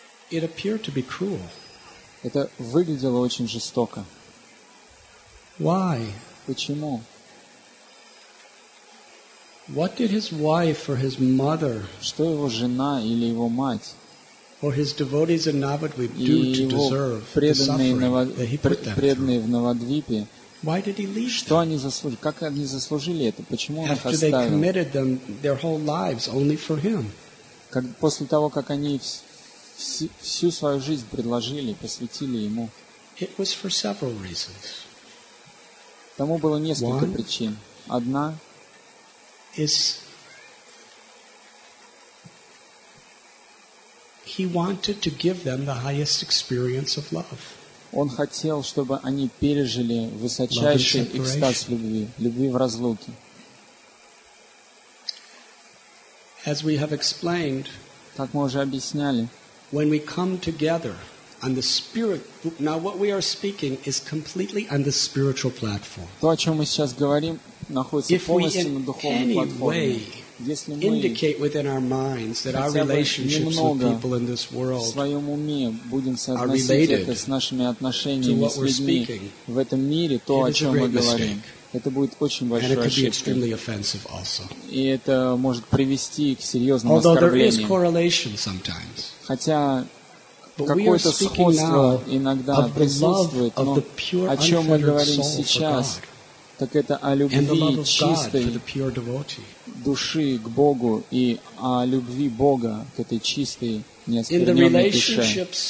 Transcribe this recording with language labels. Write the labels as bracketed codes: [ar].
[en] it appeared to be cruel. [ru] Это выглядело очень жестоко. [en] Why? [ru] Почему? [en] What did his wife or his mother, [ru] что его жена или его мать, [en] or his devotees in Navadvip do to deserve the suffering that he put them [ru] преданные в Навадвипе, [en] why did he leave [ru] что они заслужили? Как они заслужили это? Почему он их оставил? [en] After they committed them their whole lives only for him. [ru] Как, после того, как они всю свою жизнь предложили, посвятили ему. [en] It was for several reasons. [ru] Тому было несколько причин. Одна [en] is he wanted to give them the highest experience of love. [ru] Он хотел, чтобы они пережили высочайший экстаз любви, любви в разлуке. [en] As we have explained, [ru] как мы уже объясняли, [en] when we come together on the spirit, now what we are speaking is completely on the spiritual platform. [ru] То, о чем мы сейчас говорим, находится полностью на духовной платформе. Если мы [en] indicate within our minds that our relationships with people in this world are related [ru] с нашими отношениями с людьми в этом мире, то, о чем мы говорим, это будет очень большой ошибкой. И это может привести к серьезным оскорблениям. Хотя какое-то сходство иногда присутствует, но о чем мы говорим сейчас, так это о любви чистой души к Богу и о любви Бога к этой чистой, неоскверненной душе.